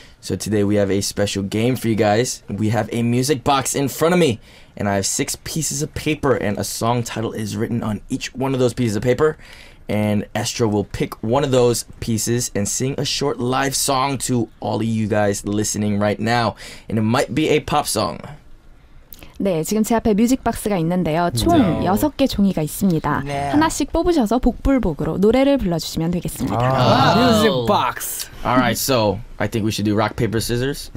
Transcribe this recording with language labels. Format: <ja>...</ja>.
<en>So today we have a special game for you guys. We have a music box in front of me, and I have six pieces of paper, and a song title is written on each one of those pieces of paper. And Astro will pick one of those pieces and sing a short live song to all of you guys listening right now. And it might be a pop song.</en> <ko>네, 지금 제 앞에 뮤직박스가 있는데요. 총 no. 6개 종이가 있습니다. Yeah. 하나씩 뽑으셔서 복불복으로 노래를 불러주시면 되겠습니다.</ko> <en>Oh. Music box. All right, so I think we should do rock, paper, scissors.</en>